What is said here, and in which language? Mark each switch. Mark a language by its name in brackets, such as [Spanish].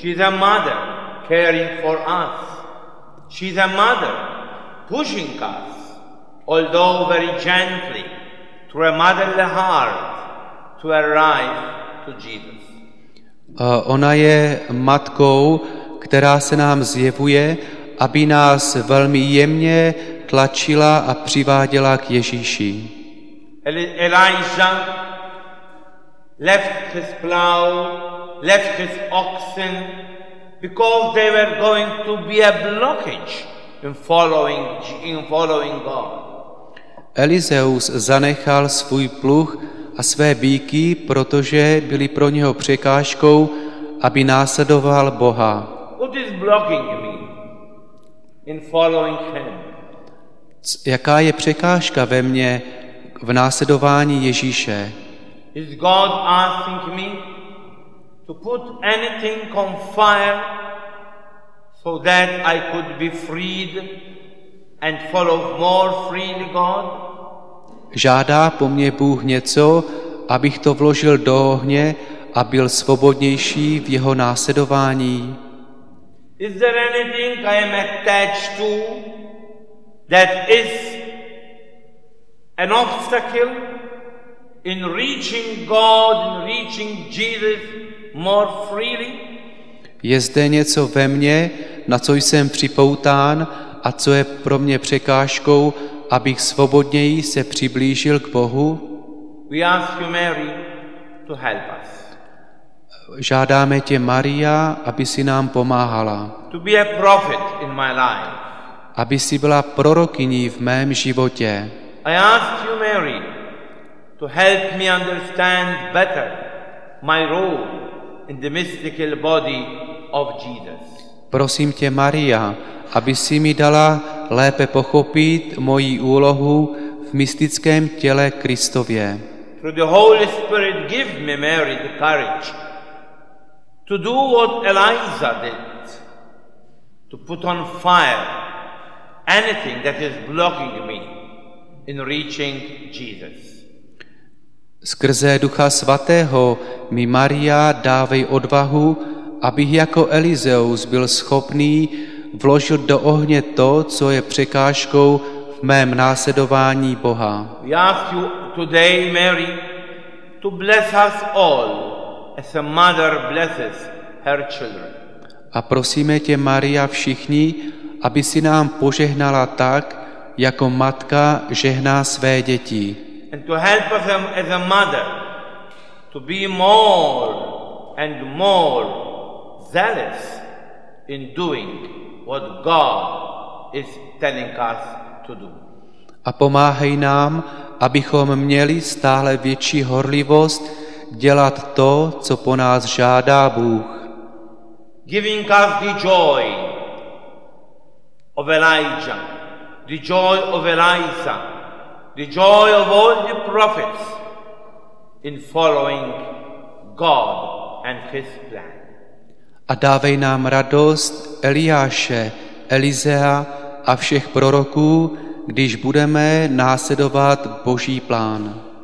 [English] She's a mother caring for us. She's a mother pushing us, although very gently, through a motherly heart, to arrive to Jesus. [Czech] Ona je matkou, která se nám zjevuje, aby nás velmi jemně tlačila a přiváděla k Ježíši. [English] Elijah left his plow, left his oxen, because they were going to be a blockage in following God. [Czech] Elizeus zanechal svůj pluh a své býky, protože byly pro něho překážkou, aby následoval Boha. [English] What is blocking me in following him? [Czech] Jaká je překážka ve mně v následování Ježíše? [English] Is God asking me to put anything on fire so that I could be freed and follow more freely God? [Czech] Žádá po mně Bůh něco, abych to vložil do ohně a byl svobodnější v jeho následování? [English] Is there anything I am attached to that is an obstacle in reaching God, in reaching Jesus more freely? [Czech] Je zde něco ve mně, na co jsem připoután a co je pro mě překážkou, abych svobodněji se přiblížil k Bohu? [English] We ask you, Mary, to help us. [Czech] Žádáme tě, Maria, aby si nám pomáhala. [English] To be a prophet in my life. [Czech] Aby si byla prorokyní v mém životě. [English] I ask you, Mary, to help me understand better my role in the mystical body of Jesus. [Czech] Prosím tě, Maria, aby si mi dala lépe pochopit moji úlohu v mystickém těle Kristově. [English] Through the Holy Spirit, give me, Mary, the courage to do what Elijah did, to put on fire anything that is blocking me in reaching Jesus. [Czech] Skrze Ducha Svatého mi, Maria, dávej odvahu, abych jako Elizeus byl schopný vložit do ohně to, co je překážkou v mém následování Boha. [English] We ask you today, Mary, to bless us all as a mother blesses her children. [Czech] A prosíme tě, Maria, všichni, aby si nám požehnala tak, jako matka žehná své děti. [English] And to help us as a mother to be more and more zealous in doing what God is telling us to do. [Czech] A pomáhej nám, abychom měli stále větší horlivost dělat to, co po nás žádá Bůh. [English] Giving us the joy of Elijah, the joy of Eliza, the joy of all the prophets in following God and his plan. [Czech] A dávej nám radost Eliáše, Elizea a všech proroků, když budeme následovat Boží plán.